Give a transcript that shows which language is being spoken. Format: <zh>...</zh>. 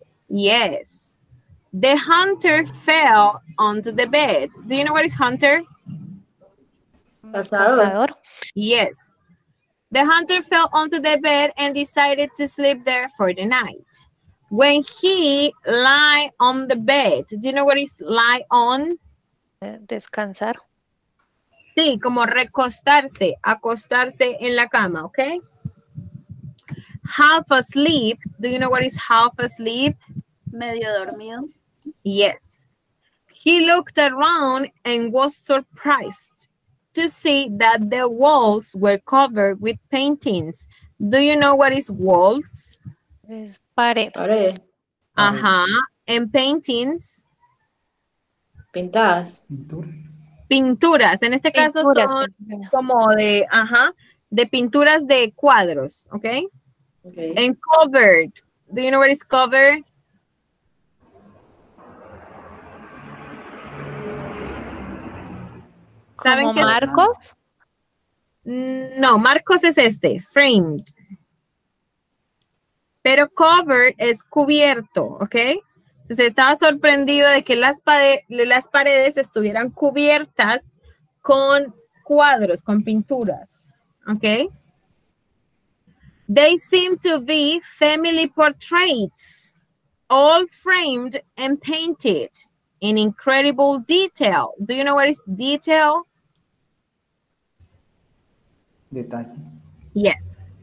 <en>Yes. The hunter fell onto the bed. Do you know what is hunter?</en> <es>Cazador.</es> <en>Yes. The hunter fell onto the bed and decided to sleep there for the night. When he lie on the bed, do you know what is lie on?</en> <es>Descansar. Sí, como recostarse, acostarse en la cama, okay?</es> <en>Half asleep, do you know what is half asleep?</en> <es>Medio dormido.</es> <en>Yes. He looked around and was surprised to see that the walls were covered with paintings. Do you know what is walls? It's pared. Uh-huh. And paintings?</en> <es>Pintadas. Pinturas. En este caso pinturas, son pinturas. Como de, ajá, de pinturas de cuadros, okay?</es> <en>Okay. And covered. Do you know what is covered?</en> <es>¿Saben qué? ¿Marcos? No, marcos es este, framed. Pero covered es cubierto, ¿ok? Entonces estaba sorprendido de que las paredes estuvieran cubiertas con cuadros, con pinturas, ¿ok?</es> <en>They seem to be family portraits, all framed and painted in incredible detail. Do you know what is detail? Detail. Yes.</en>